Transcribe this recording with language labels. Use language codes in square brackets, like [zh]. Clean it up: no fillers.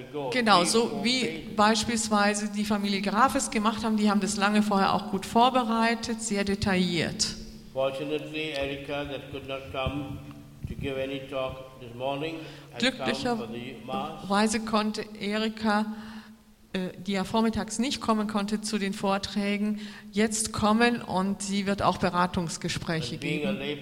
[de] Genau, so wie beispielsweise die Familie Graf es gemacht haben, die haben das lange vorher auch gut vorbereitet, sehr detailliert. [en] Fortunately, Erika, that could not come to give any talk this morning. [de] Glücklicherweise konnte Erika, die ja vormittags nicht kommen konnte zu den Vorträgen, jetzt kommen und sie wird auch Beratungsgespräche geben.